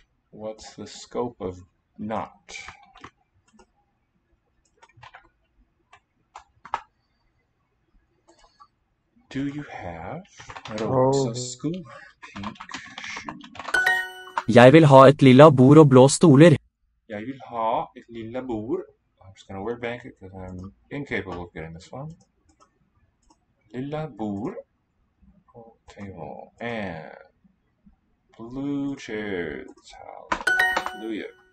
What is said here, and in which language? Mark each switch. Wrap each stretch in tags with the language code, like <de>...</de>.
<en>What's the scope of not? Do you have a rosa school pink shoe?</en> <no>Jeg vil ha et lilla bord og blå stoler. Jeg vil ha et lilla bord.</no> <en>I'm just gonna word bank it because I'm incapable of getting this one. Lilla bord. Table. And blue chairs. Hallelujah.</en>